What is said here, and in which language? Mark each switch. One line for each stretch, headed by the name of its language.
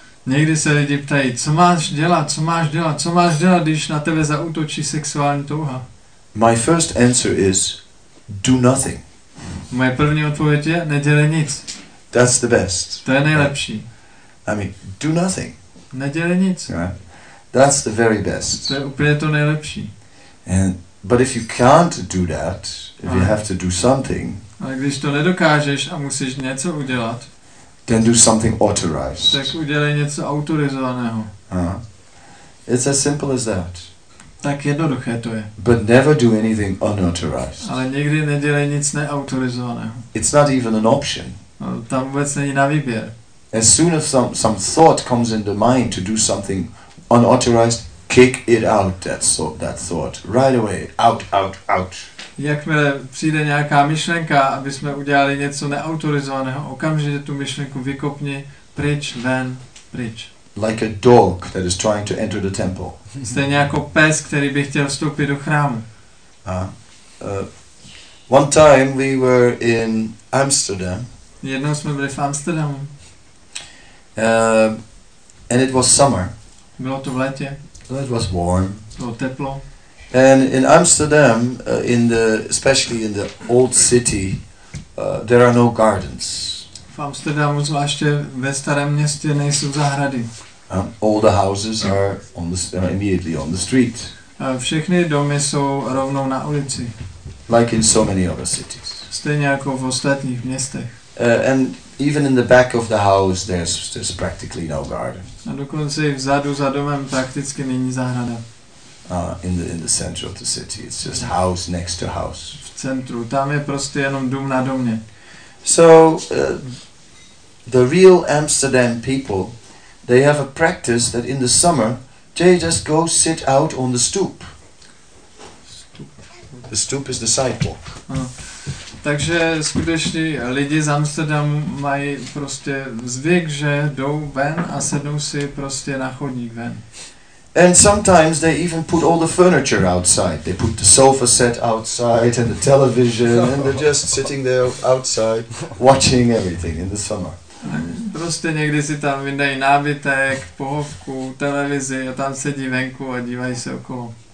Czech: Někdy se lidi ptají, co máš dělat, když na tebe zaútočí sexuální touha?
English: My first answer is, do nothing.
Czech: Moje první odpověď je, nedělej nic.
English: That's the best.
Czech: To je nejlepší.
English: I mean, do nothing.
Czech: Nedělej nic.
English: Right? That's the very best.
Czech: To je úplně to nejlepší.
English: But if you can't do that, if you have to do something.
Czech: A když to nedokážeš a musíš něco udělat,
English: then do something authorized.
Czech: Tak udělej něco autorizovaného.
English: It's as simple as that.
Czech: Tak jednoduché to je.
English: But never do anything unauthorized.
Czech: Ale nikdy nedělej nic neautorizovaného.
English: It's not even an option.
Czech: No, tam vůbec není na výběr.
English: As soon as some thought comes in the mind to do something unauthorized, kick it out, that thought, right away, out.
Czech: Jakmile přijde nějaká myšlenka, aby jsme udělali něco neautorizovaného, okamžitě tu myšlenku vykopni, pryč, ven, pryč.
English: Like a dog that is trying to enter the temple.
Czech: Stejně jako pes, který by chtěl vstoupit do chrámu.
English: One time we were in Amsterdam.
Czech: Jednou jsme byli v Amsterdamu.
English: And it was summer.
Czech: Bylo to v létě.
English: So it was warm.
Czech: Bylo teplo.
English: And in Amsterdam, especially in the old city, there are no gardens.
Czech: V Amsterdamu, zvláště ve starém městě, nejsou zahrady.
English: All the houses are on the immediately on the street.
Czech: Všechny domy jsou rovnou na ulici.
English: Like in so many other cities.
Czech: Stejně jako v ostatních městech.
English: And even in the back of the house, there's practically no garden.
Czech: A dokonce i vzadu za domem prakticky není zahrada.
English: In the center of the city, it's just house next to house.
Czech: V centru, tam je prostě jenom dům na domě.
English: So the real Amsterdam people, they have a practice that in the summer they just go sit out on the stoop. The stoop is the sidewalk.
Czech: Takže skutečně lidi z Amsterdamu mají prostě zvyk, že jdou ven a sednou si prostě na chodník ven.
English: And sometimes they even put all the furniture outside. They put the sofa set outside and the television and they're just sitting there outside watching everything in the summer.
Czech: Prostě někdy si tam vydají nábytek, pohovku, televizi a tam sedí venku a dívají se okolo.